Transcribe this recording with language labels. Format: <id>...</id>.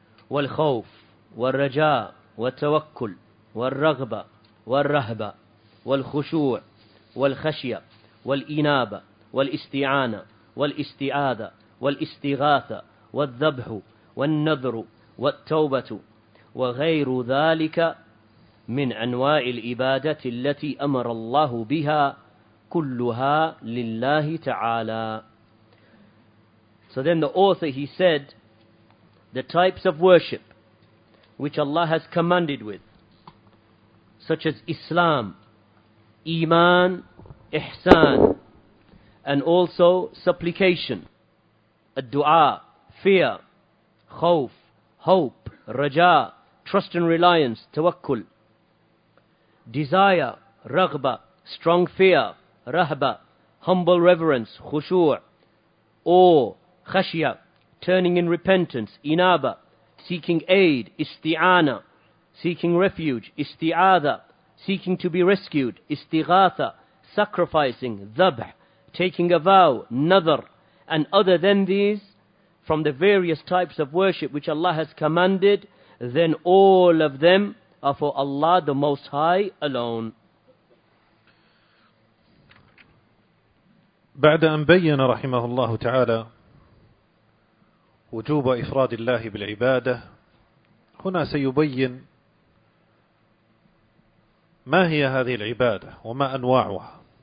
<ar>والخوف والرجاء والتوكل والرغبة والرهبة والخشوع والخشية والإنابة والاستعانة والاستعاذة والاستغاثة والذبح والنذر والتوبة وغير ذلك من أنواع العبادة التي أمر الله بها كلها لله تعالى.</ar> <en>So then the author, he said, the types of worship which Allah has commanded with, such as Islam, Iman, Ihsan, and also supplication, الدُّعَاء, fear, خوف, hope, raja, trust and reliance, tawakkul, desire, raghba, strong fear, rahba, humble reverence, khushu', awe, khashya, turning in repentance, inaba, seeking aid, isti'ana, seeking refuge, isti'adha, seeking to be rescued, istighatha, sacrificing, dhabh, taking a vow, nadhar, and other than these, from the various types of worship which Allah has commanded, then all of them are for Allah the Most High alone.</en> <ar>بعد أن بين رحمه الله تعالى وجوب إفراد الله بالعبادة، هنا سيبين ما هي هذه العبادة وما أنواعها.</ar>